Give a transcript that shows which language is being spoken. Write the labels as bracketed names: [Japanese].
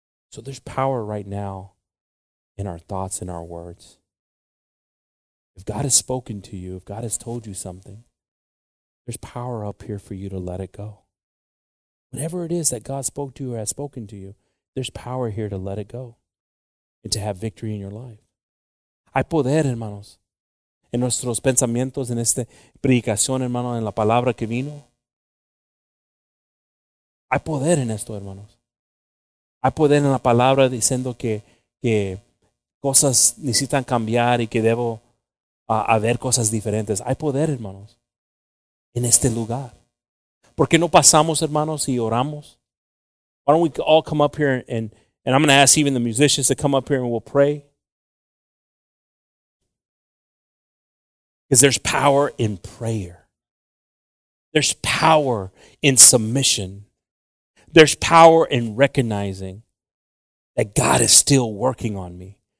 [English] So there's power right now in our thoughts, in our words. If God has spoken to you, if God has told you something, there's power up here for you to let it go. Whatever it is that God spoke to you or has spoken to you, there's power here to let it go and to have victory in your life. [Spanish] Hay poder, hermanos, en nuestros pensamientos, en esta predicación, hermano, en la palabra que vino. Hay poder en esto, hermanos. Hay poder en la palabra diciendo que cosas necesitan cambiar y que debo haber cosas diferentes. Hay poder, hermanos, en este lugar. ¿Por qué no pasamos, hermanos, y oramos? [English] Why don't we all come up here and I'm going to ask even the musicians to come up here and we'll pray. Because there's power in prayer. There's power in submission. There's power in recognizing that God is still working on me.